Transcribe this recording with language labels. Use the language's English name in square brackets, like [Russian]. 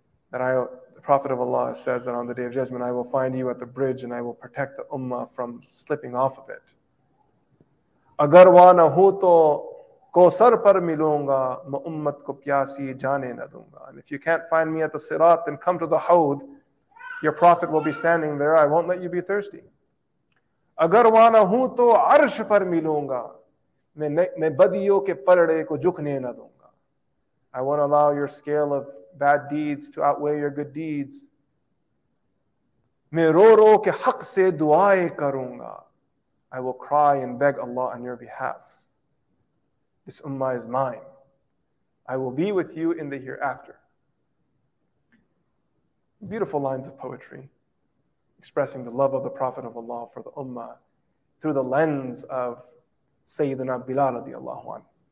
[English] That I, the Prophet of Allah says that on the day of judgment, I will find you at the bridge and I will protect the ummah from slipping off of it. [Urdu] اگر وانا ہو تو کوثر پر ملوں گا میں امت کو پیاسی جانے نہ دوں گا. [English] And if you can't find me at the sirat, then come to the hawd. Your Prophet will be standing there. I won't let you be thirsty. [Urdu] اگر وانا ہو تو عرش پر ملوں گا میں بدیوں کے پلڑے کو جھکنے نہ دوں گا. [English] I won't allow your scale of bad deeds to outweigh your good deeds. [Urdu] میں رو رو کے حق سے دعائیں کروں گا. [English] I will cry and beg Allah on your behalf. This ummah is mine. I will be with you in the hereafter. Beautiful lines of poetry expressing the love of the Prophet of Allah for the ummah through the lens of Sayyidina Bilal radiallahu anhu.